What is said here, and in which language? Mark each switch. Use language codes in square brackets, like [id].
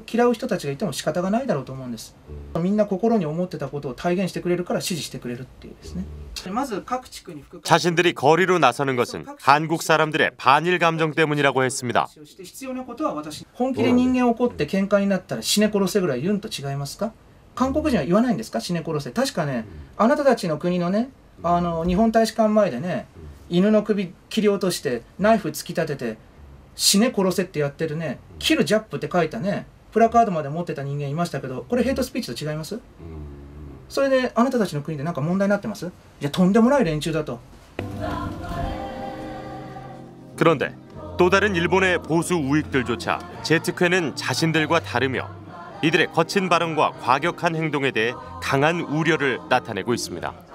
[ko] 그래서 그 타부를 우리가 [ja] 打ち破って韓国に対して在日に対して朝鮮人に対して怒りをぶつけてるわけですからそれを嫌う人たちがいても仕方がないだろうと思うんです。 [ko] 자신들이 거리로 나서는 것은 한국 사람들의 반일 감정 때문이라고 했습니다. [ja] 本気で人間を怒って喧嘩になったら死ね殺せぐらい言うんと違いますか？韓国人は言わないんですか？死ね殺せ。確かね、あなたたちの国のね、あの日本大使館前でね、犬の首切り落として、ナイフ突き立てて、死ね殺せってやってるね、キルジャップって書いたね、 プラカードまで 持ってた人間いましたけど、これヘイトスピーチと違います？それであなたたちの国で何か問題になってます？いや、とんでもない連中だと。 [ko] 그런데 또 다른 일본의 보수 우익들조차 제트퀘는 자신들과 다르며 이들의 거친 발언과 과격한 행동에 대해 강한 우려를 나타내고 있습니다.